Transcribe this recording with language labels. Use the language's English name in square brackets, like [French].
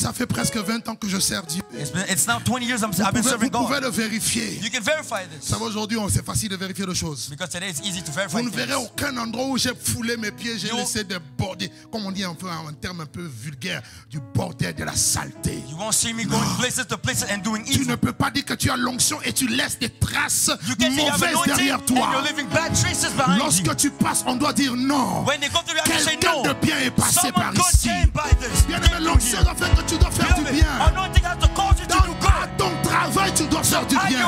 [French] Ça fait presque 20 ans que je sers Dieu. [English] It's now 20 years I've been serving God. [French] Vous pouvez le vérifier. [English] You can verify this. [French] Ça va aujourd'hui, c'est facile de vérifier les choses. [English] Because today it's easy to verify. [French] Vous ne verrez aucun endroit où j'ai foulé mes pieds, j'ai laissé des bordés, comme on dit en termes un peu vulgaires, du bordel de la saleté. [English] You won't see me going places to places and doing evil. [French] Tu ne peux pas dire que tu as l'onction et tu laisses des traces [English] you can [French] mauvaises [English] see [French] derrière toi. [English] And you're leaving bad traces. [French] Lorsque tu passes, on doit dire non. Quelqu'un de bien est passé par ici. Bien aimé, l'onction doit faire que tu dois faire du bien. Dans ton travail, tu dois faire du bien.